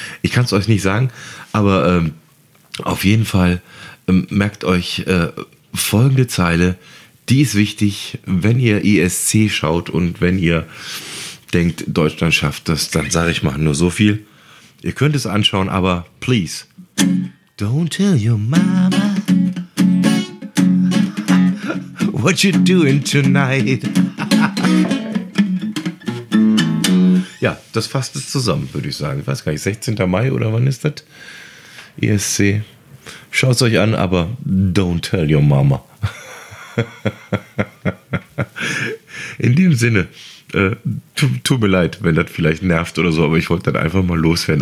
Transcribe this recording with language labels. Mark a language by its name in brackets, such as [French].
[German] Ich kann es euch nicht sagen, aber auf jeden Fall merkt euch folgende Zeile. Die ist wichtig, wenn ihr ESC schaut und wenn ihr denkt, Deutschland schafft das, dann sage ich mal nur so viel. Ihr könnt es anschauen, aber please. [English] Don't tell your mama what you're doing tonight. [German] Ja, das fasst es zusammen, würde ich sagen. Ich weiß gar nicht, 16. Mai oder wann ist das? ESC. Schaut es euch an, aber [English] don't tell your mama. [German] In dem Sinne, tut mir leid, wenn das vielleicht nervt oder so, aber ich wollte dann einfach mal loswerden.